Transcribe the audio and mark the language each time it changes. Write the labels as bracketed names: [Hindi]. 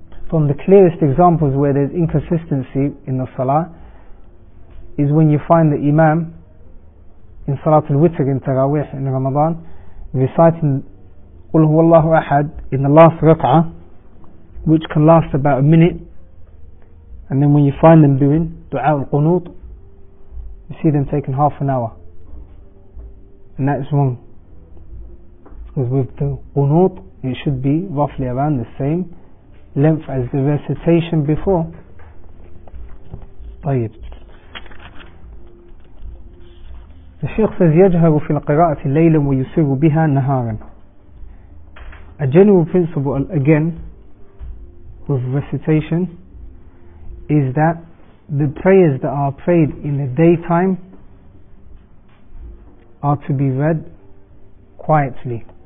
[English] From the clearest examples where there's inconsistency in the salah is when you find the imam in Salat al-Witr in Taraweeh in Ramadan reciting Qul huwa Allahu Ahad in the last rak'ah, which can last about a minute, and then when you find them doing Dua al-Qunut, you see them taking half an hour, and that is wrong, because with the Qunut it should be roughly around the same length as the recitation before. [Arabic] طيب. [English] The Shaykh says [Arabic] يجهر في القراءة ليلا ويسر بها نهارا. [English] A general principle again with recitation is that the prayers that are prayed in the daytime are to be read quietly.